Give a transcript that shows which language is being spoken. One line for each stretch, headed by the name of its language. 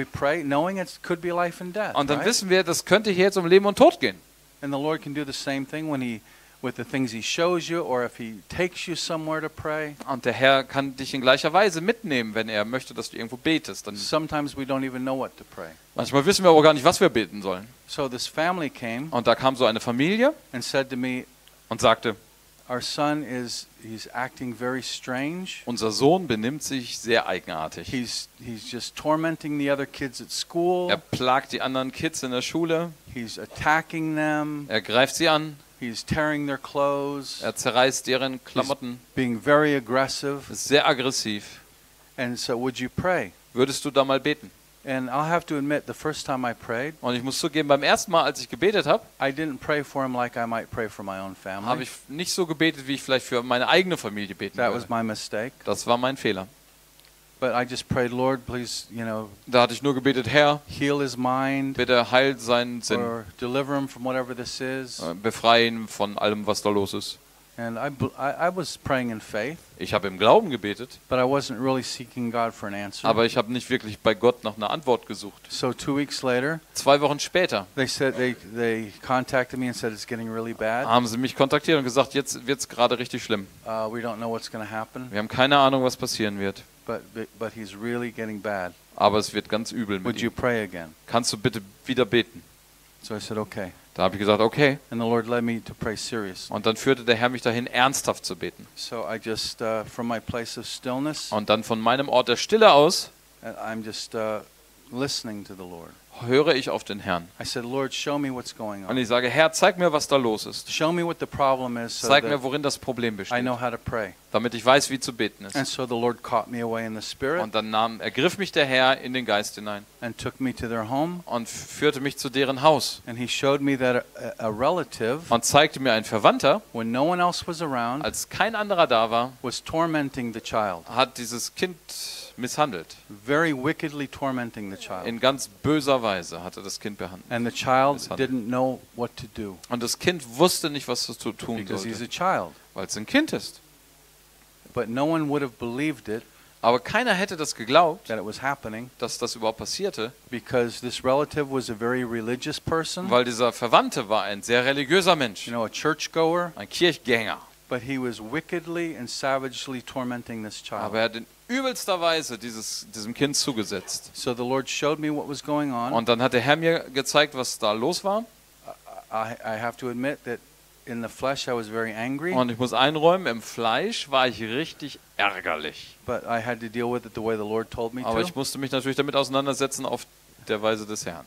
German: Und dann wissen wir, das könnte hier jetzt um Leben und Tod gehen.
English: And the Lord can do the same thing when he with the things he shows you or if he takes you somewhere to pray.
German: Und der Herr kann dich in gleicher Weise mitnehmen, wenn er möchte, dass du irgendwo betest. Dann
English: sometimes we don't even know what to pray.
German: Manchmal wissen wir aber gar nicht, was wir beten sollen.
English: So this family came
German: und da kam so eine Familie
English: and said to me,
German: und sagte,
English: our son is he's acting very strange.
German: Unser Sohn benimmt sich sehr eigenartig.
English: He's just tormenting the other kids at school.
German: Er plagt die anderen Kids in der Schule.
English: He's attacking them.
German: Er greift sie an.
English: He's tearing their clothes.
German: Er zerreißt deren Klamotten.
English: He's being very aggressive.
German: Sehr aggressiv.
English: And so would you pray?
German: Würdest du da mal beten?
English: And I'll have to admit, the first time I prayed,
German: und ich muss zugeben, beim ersten Mal, als ich gebetet habe,
English: I didn't pray for him like I might pray for my own family.
German: Habe ich nicht so gebetet, wie ich vielleicht für meine eigene Familie beten würde.
English: That was my mistake.
German: Das war mein Fehler.
English: But I just prayed, Lord, please, you know.
German: Da hatte ich nur gebetet, Herr,
English: heal his mind.
German: Bitte heil seinen Sinn.
English: Or deliver him from whatever this is.
German: Befreie ihn von allem, was da los ist.
English: And I was praying in faith.
German: Ich habe im Glauben gebetet.
English: But I wasn't really seeking God for an answer.
German: Aber ich habe nicht wirklich bei Gott nach einer Antwort gesucht.
English: So 2 weeks later.
German: 2 Wochen später.
English: They said they contacted me and said it's getting really bad.
German: Haben sie mich kontaktiert und gesagt, jetzt wird's gerade richtig schlimm.
English: We don't know what's going to happen.
German: Wir haben keine Ahnung, was passieren wird.
English: But he's really getting bad.
German: Aber es wird ganz übel mit
English: ihm. Would you pray again?
German: Kannst du bitte wieder beten?
English: So I said okay.
German: Da habe ich gesagt, okay.
English: And the Lord led me to pray seriously.
German: Und dann führte der Herr mich dahin, ernsthaft zu beten.
English: So I just from my place of stillness.
German: Und dann von meinem Ort der Stille aus.
English: I'm just listening to the Lord.
German: Höre ich auf den Herrn.
English: I said, Lord, show me what's going on.
German: Und ich sage, Herr, zeig mir, was da los ist.
English: Show me what the problem is.
German: Zeig mir, worin das Problem besteht.
English: I know how to pray.
German: Damit ich weiß, wie zu beten ist.
English: And so the Lord caught me away in the spirit.
German: Und dann ergriff mich der Herr in den Geist hinein.
English: And took me to their home.
German: Und führte mich zu deren Haus.
English: And he showed me that a relative.
German: Und zeigte mir ein Verwandter.
English: When no one else was around.
German: Als kein anderer da war.
English: Was tormenting the child.
German: Hat dieses Kind misshandelt.
English: Very wickedly tormenting the child.
German: In ganz böser Weise hat er das Kind behandelt.
English: And the child didn't know what to do.
German: Und das Kind wusste nicht, was zu tun sollte.
English: Because he's a child.
German: Weil es ein Kind ist.
English: But no one would have believed it.
German: Aber keiner hätte das geglaubt,
English: that it was happening,
German: dass das überhaupt passierte,
English: because this relative was a very religious person.
German: Weil dieser Verwandte war ein sehr religiöser Mensch.
English: You know, a churchgoer.
German: Ein Kirchgänger.
English: But he was wickedly and savagely tormenting this child.
German: Aber er hat in übelster Weise diesem Kind zugesetzt.
English: So the Lord showed me what was going on.
German: Und dann hat der Herr mir gezeigt, was da los war.
English: I have to admit that in the flesh I was very angry.
German: Und ich muss einräumen, im Fleisch war ich richtig ärgerlich.
English: But I had to deal with it the way the Lord told me to.
German: Aber ich musste mich natürlich damit auseinandersetzen auf der Weise des Herrn.